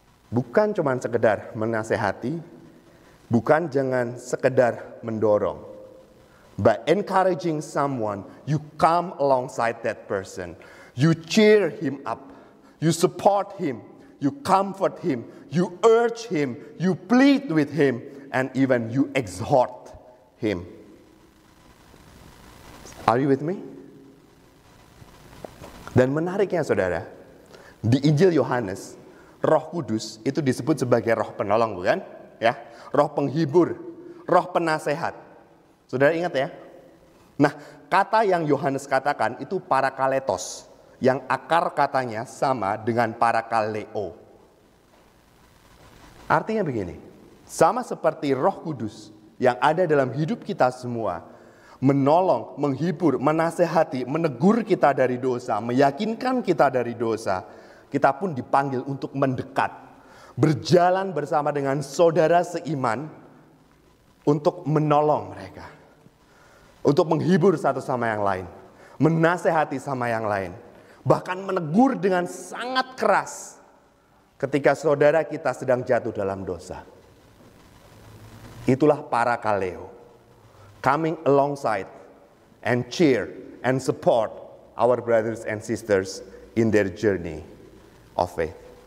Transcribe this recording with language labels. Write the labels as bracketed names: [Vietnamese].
[Indonesian] bukan cuma sekedar menasehati, bukan jangan sekedar mendorong, [English] by encouraging someone, you come alongside that person, you cheer him up, you support him, you comfort him, you urge him, you plead with him, and even you exhort him. Are you with me? [Indonesian] Dan menariknya, saudara, di Injil Yohanes, Roh Kudus itu disebut sebagai roh penolong, bukan? Ya, roh penghibur, roh penasehat. Saudara ingat ya? Nah, kata yang Yohanes katakan itu parakaletos, yang akar katanya sama dengan parakaleo. Artinya begini, sama seperti Roh Kudus yang ada dalam hidup kita semua, menolong, menghibur, menasehati, menegur kita dari dosa, meyakinkan kita dari dosa, kita pun dipanggil untuk mendekat, berjalan bersama dengan saudara seiman untuk menolong mereka, untuk menghibur satu sama yang lain, menasehati sama yang lain, bahkan menegur dengan sangat keras ketika saudara kita sedang jatuh dalam dosa. Itulah [English] parakaleo, coming alongside and cheer and support our brothers and sisters in their journey of faith.